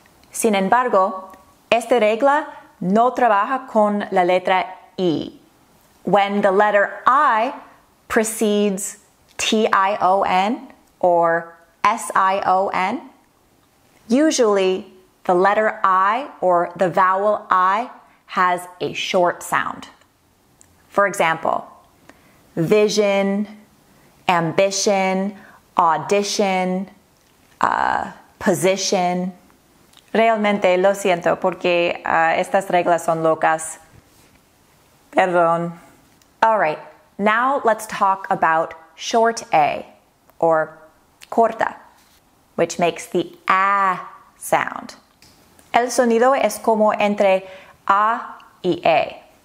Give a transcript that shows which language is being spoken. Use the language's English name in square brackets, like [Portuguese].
[Spanish] Sin embargo, esta regla no trabaja con la letra I. [English] When the letter I precedes T-I-O-N or S-I-O-N, usually the letter I or the vowel I has a short sound. For example, vision, ambition, audition, position. [Spanish] Realmente lo siento porque estas reglas son locas. Perdón. [English] All right, now let's talk about short A, or corta, which makes the A sound. [Spanish] El sonido es como entre A y E.